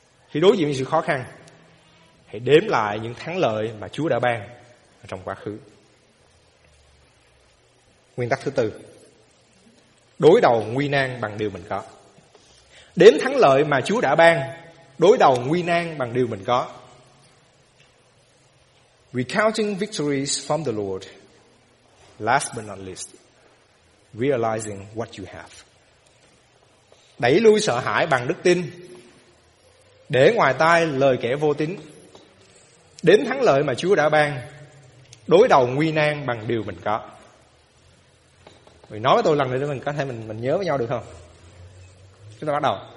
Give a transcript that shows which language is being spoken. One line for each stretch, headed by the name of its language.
Vietnamese: Khi đối diện với sự khó khăn, hãy đếm lại những thắng lợi mà Chúa đã ban trong quá khứ. Nguyên tắc thứ tư, đối đầu nguy nan bằng điều mình có. Đếm thắng lợi mà Chúa đã ban, đối đầu nguy nan bằng điều mình có.
English: Recounting victories from the Lord. Last but not least, realizing what you have.
Vietnamese: Đẩy lui sợ hãi bằng đức tin. Để ngoài tai lời kẻ vô tín. Đến thắng lợi mà Chúa đã ban. Đối đầu nguy nan bằng điều mình có. Mình nói với tôi lần nữa để mình có thể mình nhớ với nhau được không? Chúng ta bắt đầu.